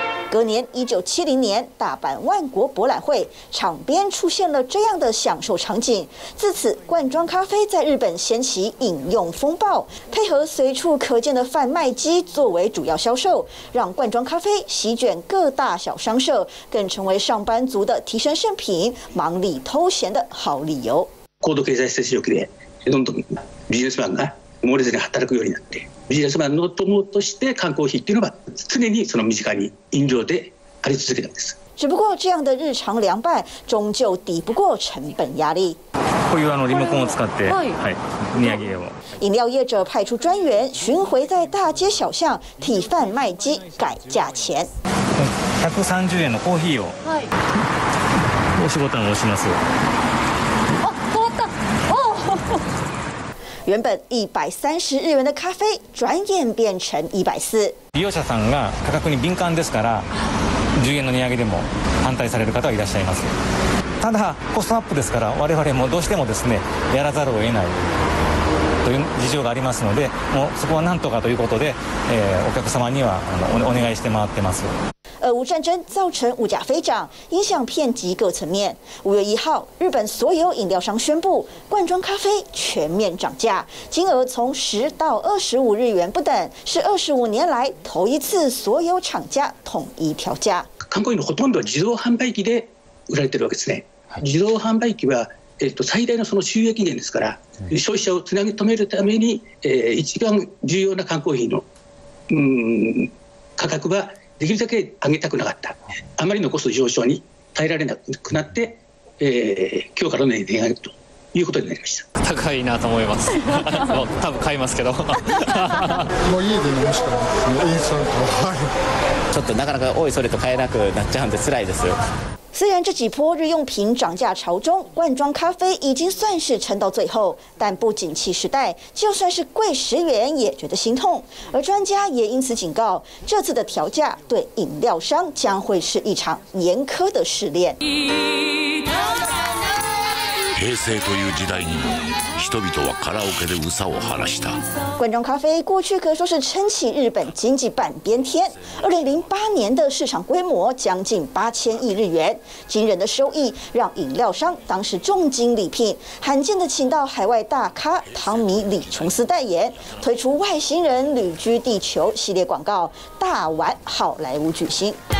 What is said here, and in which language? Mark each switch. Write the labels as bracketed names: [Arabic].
[Chinese] 隔年1970年大阪万国博览会场边出现了这样的享受场景，自此罐装咖啡在日本掀起饮用风暴，配合随处可见的贩卖机作为主要销售，让罐装咖啡席卷各大小商社，更成为上班族的提升圣品，忙里偷闲的好理由。 [Japanese] 高度経済成長期でどんどんビジネスマンが漏れずに働くようになって、ビジネスマンの友として缶コーヒーっていうのは常にその身近に飲料であり続けたんです。 [Chinese] 只不过这样的日常凉拌终究抵不过成本压力。 [Japanese] こういうリモコンを使って、はい、値上げを。 [Chinese] 饮料业者派出专员巡回在大街小巷替贩卖机改价钱。 [Japanese] 130円のコーヒーを。押しボタンを押します。 [Chinese] 原本130日元的咖啡，转眼变成140。 [Japanese] 利用者さんが価格に敏感ですから、10円の値上げでも反対される方はいらっしゃいます。ただコストアップですから、我々もどうしてもですね、やらざるを得ないという事情がありますので、もうそこはなんとかということで、お客様にはお願いして回ってます。 [Chinese] 俄乌战争造成物价飞涨，影响遍及各层面。 5月1号，日本所有饮料商宣布罐装咖啡全面涨价，金额从10到25日元不等，是25年来头一次所有厂家统一调价。 [Japanese] 缶コーヒーのほとんどは自動販売機で売られてるわけですね。自動販売機は最大のその収益源ですから、消費者をつなぎ止めるために一番重要な缶コーヒーの価格は。できるだけ上げたくなかった。あまりのコスト上昇に耐えられなくなって、今日からの値上げということになりました。高いなと思います。多分買いますけど。もう家で飲むしかない。インスタント。ちょっとなかなか多いそれと買えなくなっちゃうんで辛いですよ。 [Chinese] 虽然这几波日用品涨价潮中，罐装咖啡已经算是撑到最后，但不景气时代，就算是贵十元也觉得心痛。而专家也因此警告，这次的调价对饮料商将会是一场严苛的试炼。 [Japanese] 平成という時代に人々はカラオケで嘘を晴らした。 [Chinese] 罐装咖啡过去可说是撑起日本经济半边天。 2008年的市场规模将近8000亿日元，惊人的收益让饮料商当时重金礼聘，罕见的请到海外大咖汤米李琼斯代言，推出外星人旅居地球系列广告，大玩好莱坞巨星。